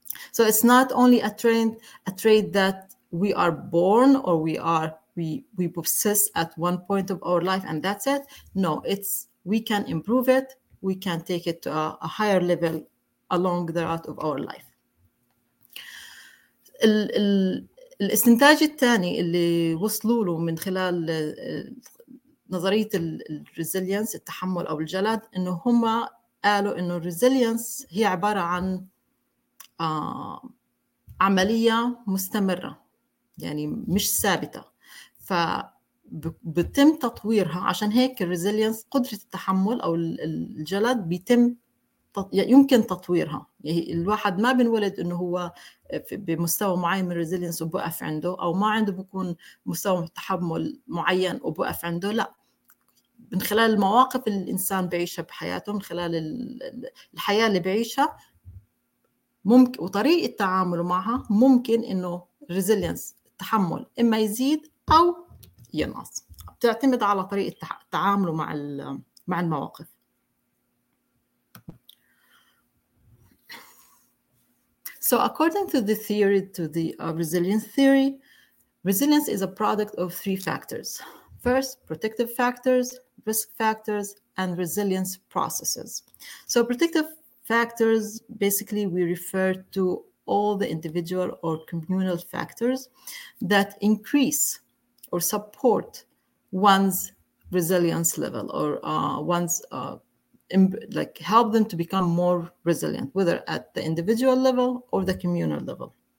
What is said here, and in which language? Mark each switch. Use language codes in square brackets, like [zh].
[en] So it's not only a trait that we are born or we possess at one point of our life and that's it. No, it's we can improve it. We can take it to a higher level along the route of our life. [ar] الاستنتاج الثاني اللي وصلوا له من خلال نظرية الريزيلينس التحمل أو الجلد إنه هما قالوا إنه الريزيلينس هي عبارة عن عملية مستمرة، يعني مش ثابتة. ف بتم تطويرها. عشان هيك الريزيلينس قدرة التحمل أو الجلد بيتم يمكن تطويرها. يعني الواحد ما بنولد إنه هو بمستوى معين من الريزيلينس وبقف عنده، أو ما عنده بكون مستوى تحمل معين وبقف عنده، لا. من خلال المواقف اللي الإنسان بعيشها بحياته، من خلال الحياة اللي بعيشها ممكن، وطريقة تعامله معها ممكن إنه الريزيلينس التحمل إما يزيد أو ينقص. بتعتمد على طريقة تعامله مع المواقف. [en] So according to the theory, to the resilience theory, resilience is a product of three factors. First, protective factors, risk factors, and resilience processes. So protective factors, basically we refer to all the individual or communal factors that increase or support one's resilience level, or one's like help them to become more resilient, whether at the individual level or the communal level.